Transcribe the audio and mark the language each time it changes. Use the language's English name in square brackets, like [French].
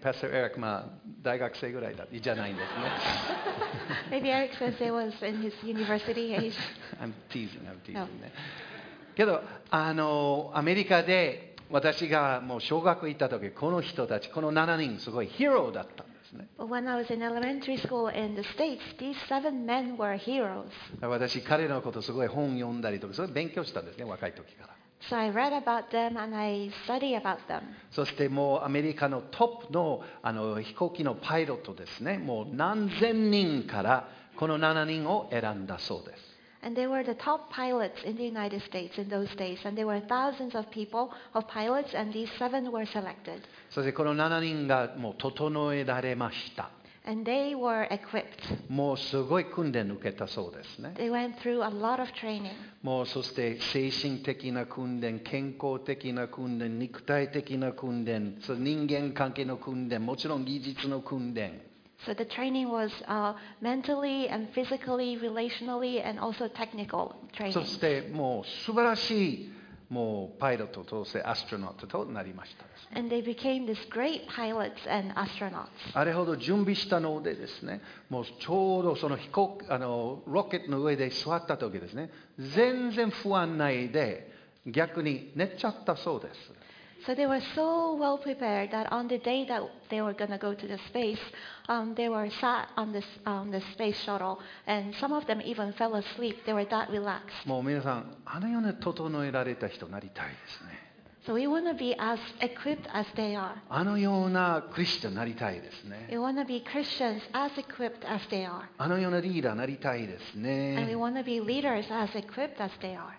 [Japanese] Pastor Eric, まあ大学生ぐらいだじゃないんですね。 [English] Maybe Eric says he was in his university age. I'm teasing.、 [Japanese] ね、けどアメリカで。私がもう小学校行った時この人たちこの7人すごいヒーローだったんですね。 [English] But when I was in elementary school in the States, these seven men were heroes. [Japanese] 私彼のことすごい本読んだりとかすごい勉強したんですね若い時から。 [English] So I read about them and I study about them. [Japanese] そしてもうアメリカのトップの飛行機のパイロットですね。もう何千人からこの7人を選んだそうです。 [English] And they were the top pilots in the United States in those days. And there were thousands of people of pilots, and these seven were selected. [Japanese] そしてこの7人がもう整えられました。 [English] And they were equipped. [Japanese] もうすごい訓練受けたそうですね。 [English] They went through a lot of training. [Japanese] もうそして精神的な訓練、健康的な訓練、肉体的な訓練、その人間関係の訓練、もちろん技術の訓練。 [English] So the training was mentally and physically, relationally, and also technical training. [Japanese] そしてもう素晴らしいもうパイロットとそしてアストロノットとなりました。 [English] And they became these great pilots and astronauts. [Japanese] あれほど準備したのでですね、もうちょうどその飛行ロケットの上で座った時ですね、全然不安ないで逆に寝ちゃったそうです。 [English] So they were so well prepared that on the day that they were going to go to the space, they were sat on the space shuttle, and some of them even fell asleep. They were that relaxed. [Japanese] もう皆さん、あのように整えられた人になりたいですね。 [English] So we want to be as equipped as they are. [Japanese] あのようなクリスチャンになりたいですね。 [English] We want to be Christians as equipped as they are. [Japanese] あのようなリーダーなりたいですね。 [English] And we want to be leaders as equipped as they are.